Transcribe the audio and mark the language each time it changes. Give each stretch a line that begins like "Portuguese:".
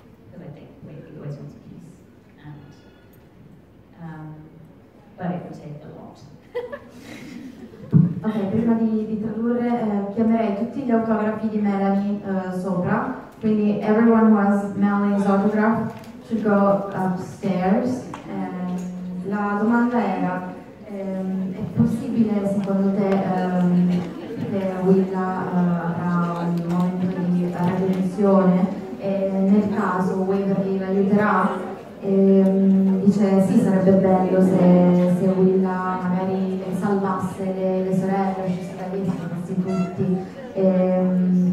English: Because I think Waverly always wants peace. But it take a lot.
Italian: Ok, prima di tradurre, chiamerei tutti gli autografi di Melanie sopra.
English: Quindi, everyone who has Melanie's autograph should go upstairs.
Italian: La domanda era, è possibile secondo te che Willa avrà un momento di redenzione? E nel caso Waverly l'aiuterà? Dice sì, sarebbe bello se Willa magari salvasse le sorelle, ci sarebbe salvassi tutti.